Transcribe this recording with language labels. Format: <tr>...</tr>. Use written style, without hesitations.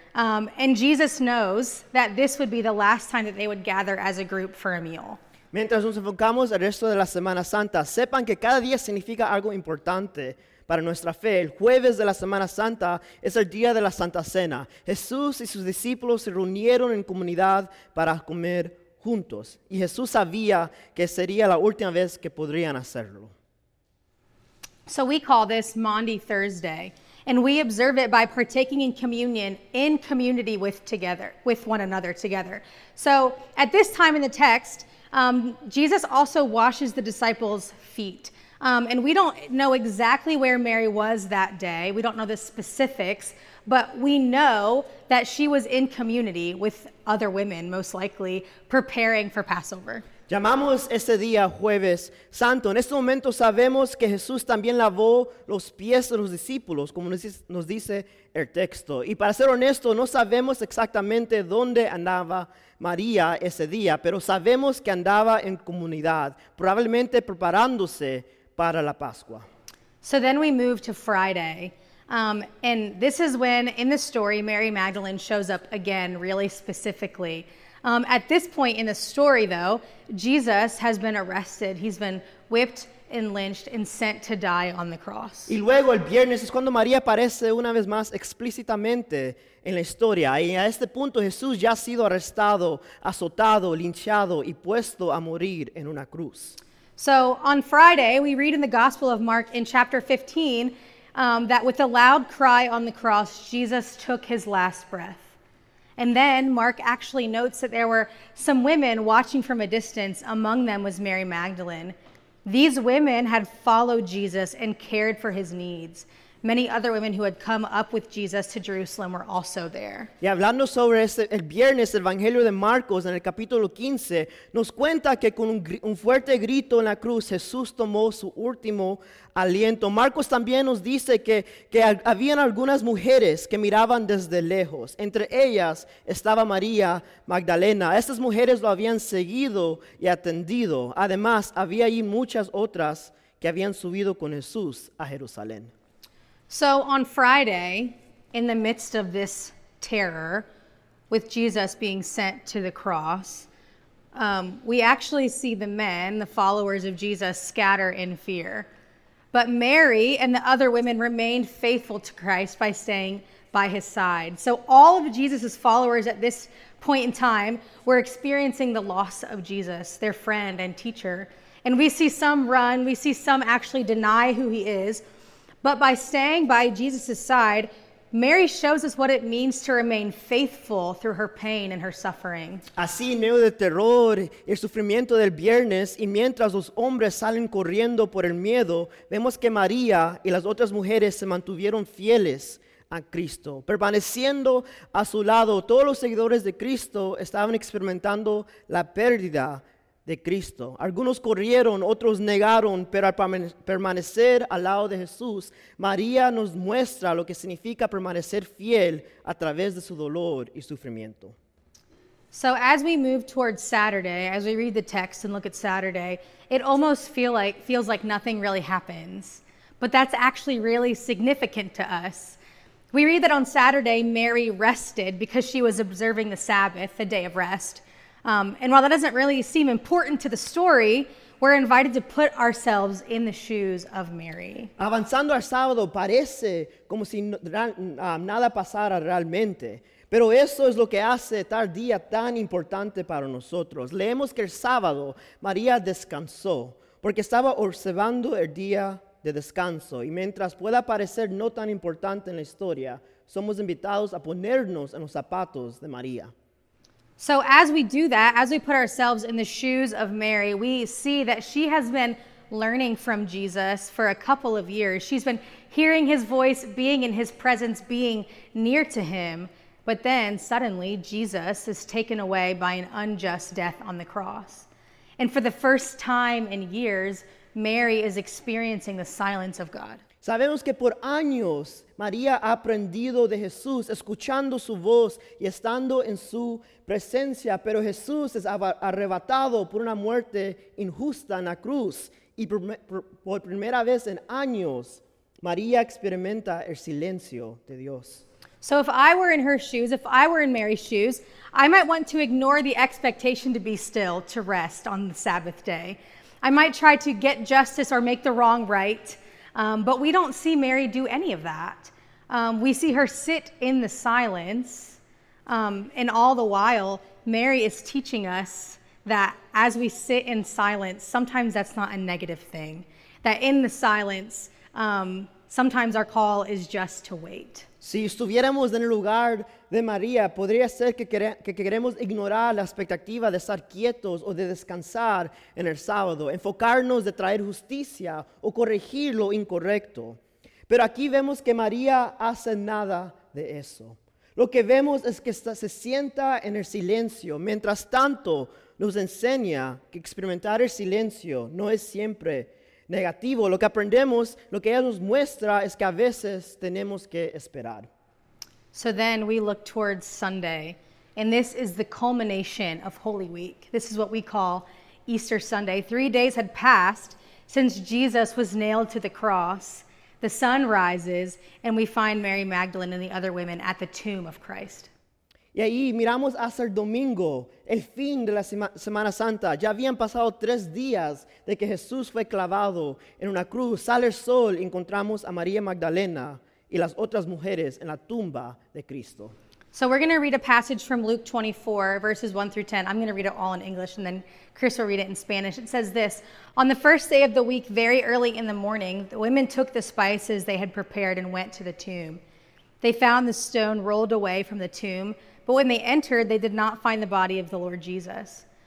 <en>And Jesus knows that this would be the last time that they would gather as a group for a meal.</en> <es>Mientras nos enfocamos al resto de la Semana Santa, sepan que cada día significa algo importante para nuestra fe. El jueves de la Semana Santa es el día de la Santa Cena. Jesús y sus discípulos se reunieron en comunidad para comer juntos. Y Jesús sabía que sería la última vez que podrían hacerlo.</es> <en>So we call this Maundy Thursday, and we observe it by partaking in communion in community with one another together. So at this time in the text, Jesus also washes the disciples' feet. And we don't know exactly where Mary was that day. We don't know the specifics, but we know that she was in community with other women, most likely, preparing for Passover.</en> <es>Llamamos ese día Jueves Santo. En este momento sabemos que Jesús también lavó los pies de los discípulos, como nos dice el texto. Y para ser honesto, no sabemos exactamente dónde andaba María ese día, pero sabemos que andaba en comunidad, probablemente preparándose para la Pascua.</es> <en>So then we move to Friday. And this is when, in the story, Mary Magdalene shows up again, really specifically. At this point in the story, though, Jesus has been arrested. He's been whipped and lynched and sent to die on the cross.</en> <es>Y luego el viernes es cuando María aparece una vez más explícitamente en la historia. Y a este punto Jesús ya ha sido arrestado, azotado, linchado y puesto a morir en una cruz.</es> <en>So on Friday, we read in the Gospel of Mark in chapter 15 that with a loud cry on the cross, Jesus took his last breath. And then Mark actually notes that there were some women watching from a distance. Among them was Mary Magdalene. These women had followed Jesus and cared for his needs. Many other women who had come up with Jesus to Jerusalem were also there.</en> <es>Y hablando sobre este, el viernes, el Evangelio de Marcos, en el capítulo 15, nos cuenta que con un fuerte grito en la cruz, Jesús tomó su último aliento. Marcos también nos dice que habían algunas mujeres que miraban desde lejos. Entre ellas estaba María Magdalena. Estas mujeres lo habían seguido y atendido. Además, había allí muchas otras que habían subido con Jesús a Jerusalén.</es> <en>So on Friday, in the midst of this terror, with Jesus being sent to the cross, we actually see the men, the followers of Jesus, scatter in fear. But Mary and the other women remained faithful to Christ by staying by his side. So all of Jesus' followers at this point in time were experiencing the loss of Jesus, their friend and teacher. And we see some run, we see some actually deny who he is. But by staying by Jesus' side, Mary shows us what it means to remain faithful through her pain and her suffering.</en> <es>Así en medio del terror y el sufrimiento del viernes, y mientras los hombres salen corriendo por el miedo, vemos que María y las otras mujeres se mantuvieron fieles a Cristo. Permaneciendo a su lado, todos los seguidores de Cristo estaban experimentando la pérdida de Cristo. Algunos corrieron, otros negaron, pero al permanecer al lado de Jesús, María nos muestra lo que significa permanecer fiel a través de su dolor y sufrimiento.</es> <en>So as we move towards Saturday, as we read the text and look at Saturday, it almost feels like nothing really happens. But that's actually really significant to us. We read that on Saturday, Mary rested because she was observing the Sabbath, the day of rest. And while that doesn't really seem important to the story, we're invited to put ourselves in the shoes of Mary.</en> <es>Avanzando al sábado parece como si nada pasara realmente, pero eso es lo que hace tal día tan importante para nosotros. Leemos que el sábado María descansó porque estaba observando el día de descanso. Y mientras pueda parecer no tan importante en la historia, somos invitados a ponernos en los zapatos de María.</es> <en>So as we do that, as we put ourselves in the shoes of Mary, we see that she has been learning from Jesus for a couple of years. She's been hearing his voice, being in his presence, being near to him. But then suddenly Jesus is taken away by an unjust death on the cross. And for the first time in years, Mary is experiencing the silence of God.</en> <es>Sabemos que por años María ha aprendido de Jesús, escuchando su voz y estando en su presencia, pero Jesús es arrebatado por una muerte injusta en la cruz. Y por primera vez en años, María experimenta el silencio de Dios.</es> <en>So if I were in her shoes, if I were in Mary's shoes, I might want to ignore the expectation to be still, to rest on the Sabbath day. I might try to get justice or make the wrong right. But we don't see Mary do any of that. We see her sit in the silence. And all the while, Mary is teaching us that as we sit in silence, sometimes that's not a negative thing. That in the silence, sometimes our call is just to wait.</en> <es>Si estuviéramos en el lugar de María, podría ser que queremos ignorar la expectativa de estar quietos o de descansar en el sábado, enfocarnos de traer justicia o corregir lo incorrecto. Pero aquí vemos que María hace nada de eso. Lo que vemos es que se sienta en el silencio. Mientras tanto, nos enseña que experimentar el silencio no es siempre negativo. Lo que aprendemos, lo que ella nos muestra es que a veces tenemos que esperar.</es> <en>So then we look towards Sunday, and this is the culmination of Holy Week. This is what we call Easter Sunday. 3 days had passed since Jesus was nailed to the cross. The sun rises, and we find Mary Magdalene and the other women at the tomb of Christ.</en> <es>Y ahí miramos hasta el domingo, el fin de la Semana Santa. Ya habían pasado tres días de que Jesús fue clavado en una cruz. Sale el sol, encontramos a María Magdalena y las otras mujeres en la tumba de Cristo.</es> <en>So we're going to read a passage from Luke 24, verses 1 through 10. I'm going to read it all in English, and then Chris will read it in Spanish. It says this: On the first day of the week, very early in the morning, the women took the spices they had prepared and went to the tomb. They found the stone rolled away from the tomb, but when they entered, they did not find the body of the Lord Jesus.</en>